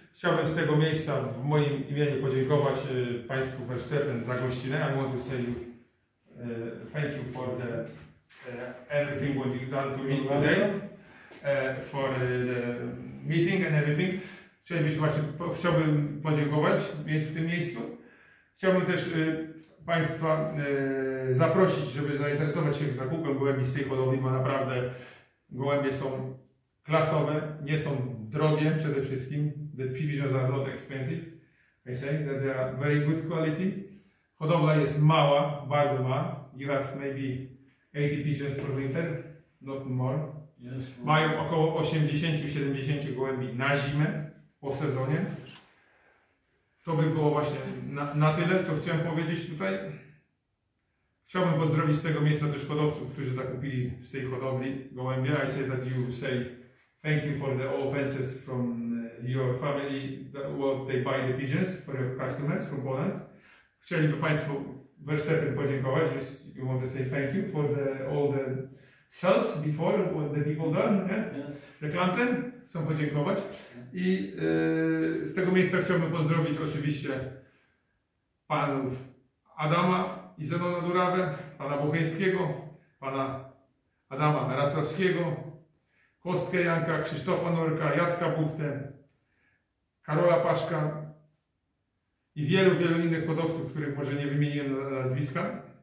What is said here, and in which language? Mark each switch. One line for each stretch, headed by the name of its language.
Polish: Chciałbym z tego miejsca w moim imieniu podziękować Państwu Verstappen za gościnę.
English: I want to say you, thank you for the everything what you've done to me today, for the meeting and everything.
Polish: Chciałbym podziękować w tym miejscu. Chciałbym też Państwa zaprosić, żeby zainteresować się zakupem gołębi z tej hodowli, bo naprawdę gołębie są klasowe, nie są drogie przede wszystkim.
English: The pigeons are not expensive. I say that they are very good quality.
Polish: Hodowla jest mała, bardzo mała.
English: You have maybe 80 pigeons for winter, not more. Yes.
Polish: Mają około 80-70 gołębi na zimę, po sezonie. To by było właśnie na tyle, co chciałem powiedzieć tutaj. Chciałbym pozdrowić z tego miejsca też hodowców, którzy zakupili w tej hodowli gołębie.
English: I say that you say thank you for the offenses from your family, that what they buy the pigeons for your customers from Poland.
Polish: Chcieliby Państwo Verstappen podziękować.
English: Just you want to say thank you for the all the sales before what the people done, yeah? Yes. The planten.
Polish: Chcą podziękować. I z tego miejsca chciałbym pozdrowić oczywiście panów Adama i Zenona Durawę, pana Bocheńskiego, pana Adama Narasławskiego, Kostkę Janka, Krzysztofa Norka, Jacka Buchtę, Karola Paszka i wielu, wielu innych hodowców, których może nie wymieniłem nazwiska.